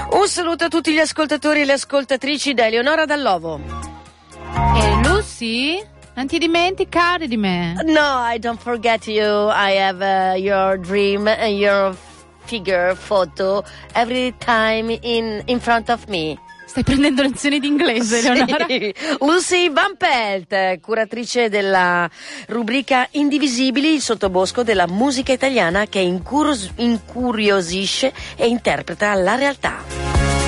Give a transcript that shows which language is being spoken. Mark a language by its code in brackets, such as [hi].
[it] saluto a tutti gli ascoltatori e le ascoltatrici da Eleonora Dall'Ovo. E Lucy? Non ti dimenticare di me? [en] No, I don't forget you. I have your dream and your figure photo every time in front of me. [it] Stai prendendo lezioni di inglese, Eleonora? Sì. Lucy Van Pelt, curatrice della rubrica Indivisibili, il sottobosco della musica italiana che incuriosisce e interpreta la realtà.